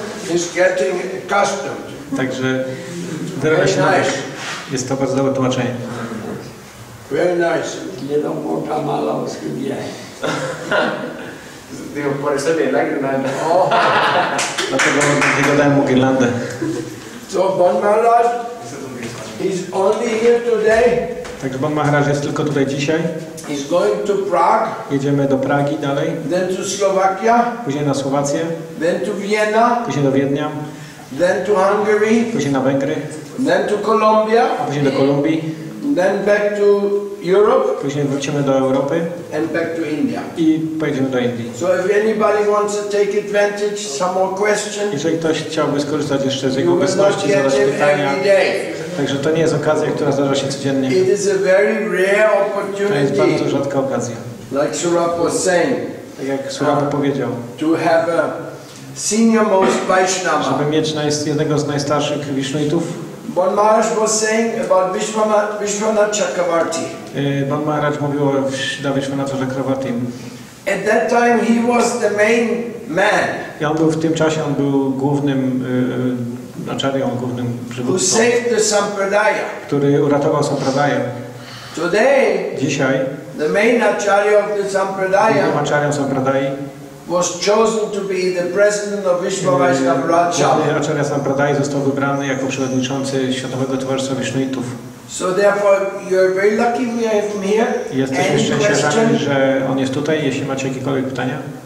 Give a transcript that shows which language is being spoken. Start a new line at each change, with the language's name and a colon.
English: It's getting accustomed.
Polish: Także wyrabia się
English: nice.
Polish: Nowość. Jest to bardzo dobre tłumaczenie.
English: Very nice. Nie do mocha mala uskubia.
Spanish: Digo, por eso le lagrimando.
Polish: Dlatego dlatego dałem mu girlandę.
English: So Bon Maharaj is only here today.
Polish: Także Bon Maharaj jest tylko tutaj dzisiaj.
English: He's going to Prague.
Polish: Jedziemy do Pragi dalej.
English: Then to Slovakia.
Polish: Później na Słowację.
English: Then to Vienna.
Polish: Później do Wiednia.
English: Then to Hungary.
Polish: Później na Węgry.
English: Then to Colombia.
Polish: Później do Kolumbii.
English: Then back to Europe.
Polish: Później wrócimy do Europy.
English: And back to India.
Polish: I pojedziemy do Indii.
English: So if anybody wants to take advantage, some more questions.
Polish: Jeżeli ktoś chciałby skorzystać jeszcze z jego obecności, zadać pytania. Także to nie jest okazja, która zdarza się codziennie.
English: It is a very rare opportunity,
Polish: to jest bardzo rzadka okazja.
English: Like Surabha was saying,
Polish: tak jak Surabha powiedział,
English: to have a senior most Vaishnava.
Polish: Żeby mieć jednego z najstarszych Vishnuitów.
English: Bon Maharaj was saying about Vishwanath Chakravarti.
Polish: Bon Maharaj mówił o Vishwanath Chakravarti.
English: At that time he was the main man.
Polish: I on był w tym czasie, on był głównym Acharya, głównym przywódcą, który uratował Sampradaya.
English: Today,
Polish: dzisiaj,
English: the main Acharya of the Sampradaya,
Polish: głównym Acharya Sampradayi,
English: was chosen to be the president of Vishwa Vaishnava Raja.
Polish: Główny Acharya Sampradayi został wybrany jako przewodniczący Światowego Towarzystwa Vishnuitów.
English: So therefore, you're very lucky we have him here.
Polish: Jesteśmy szczęśliwi, że on jest tutaj. Jeśli macie jakiekolwiek pytania,